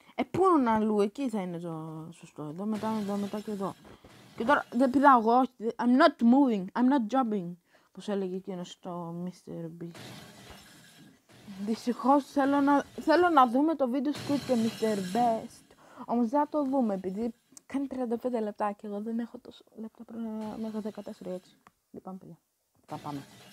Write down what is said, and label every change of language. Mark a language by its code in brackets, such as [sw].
[el] Πού είναι αλλού, εκεί θα είναι το σωστό. Εδώ, μετά και εδώ. Και τώρα δεν πηδάω εγώ. [en] I'm not moving, I'm not jumping. [el] Πώς έλεγε εκείνο στο Mr. Beast. Δυστυχώς θέλω να δούμε το βίντεο Squid και Mr. Best. Όμως δεν το δούμε, επειδή κάνει 35 λεπτά και εγώ δεν έχω τόσο λεπτά μέχρι 14 έτσι. Λοιπόν, παιδιά, θα πάμε.